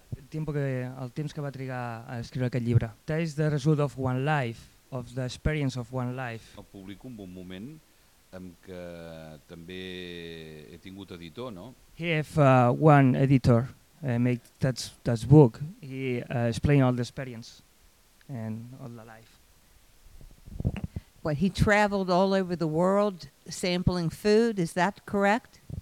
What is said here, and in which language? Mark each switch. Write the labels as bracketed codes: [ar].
[ca] El temps que va trigar a escriure aquest llibre. [en] That is the result of one life, of the experience of one life. [ca] El publico un bon moment, en què també he tingut editor, no? [en] He have one editor, make that book. He explain all the experience and all the life. What, he traveled all over the world sampling food, is that correct?